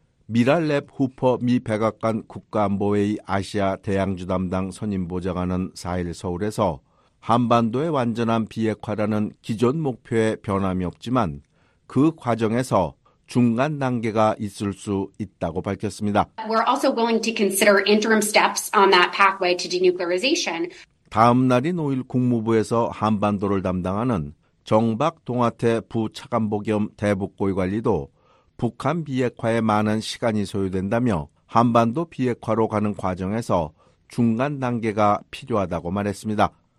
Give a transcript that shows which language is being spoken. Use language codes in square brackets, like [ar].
[ko] 미랄랩 후퍼 미 백악관 국가안보회의 아시아 대양주 담당 선임보좌관은 4일 서울에서 한반도의 완전한 비핵화라는 기존 목표에 변함이 없지만 그 과정에서 중간 단계가 있을 수 있다고 밝혔습니다. [en] We're also willing to consider interim steps on that pathway to denuclearization. [ko] 다음 날인 5일 국무부에서 한반도를 담당하는 정박 동아태 부차관보 겸 대북고위관리도 북한 비핵화에 많은 시간이 소요된다며 한반도 비핵화로 가는 과정에서 중간 단계가 필요하다고 말했습니다.